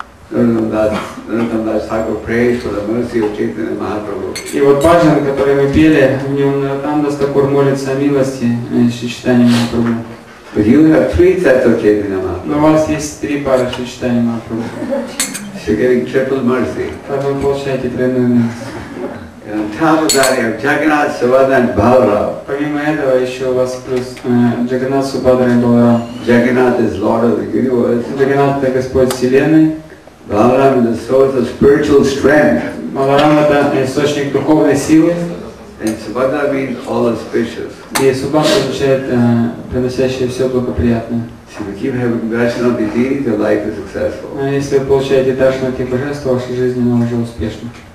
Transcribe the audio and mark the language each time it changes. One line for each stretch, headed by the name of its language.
Russian: И вот бхаджан, который мы пели, в нем там до сих пор молится о милости Шичтани Махапрабху.
English: But you have three sets of Chaitanya Mahaprabhu.
Russian: Но у вас есть три пары Шичтани Махапрабху.
English: So you're getting triple mercy.
Russian: Так вы получаете тройную милость.
English: And on top of that, you have Jagannath, Subhadra, and Balarama.
Russian: Помимо этого еще у вас плюс Джагнат, Субхадра и Баларам.
English: Jagannath is Lord of the Universe.
Russian: Джагнат — это Господь Вселенной.
English: Баларам —
Russian: это
English: source of spiritual strength.
Russian: Баларам — это источник духовной силы.
English: And Subhadra means all auspicious.
Russian: И Субхадра означает приносящее все благоприятное.
English: If you keep having darshan of the deities, your life is successful.
Russian: А если вы получаете даршан от этих божеств, ваша жизнь она уже успешна.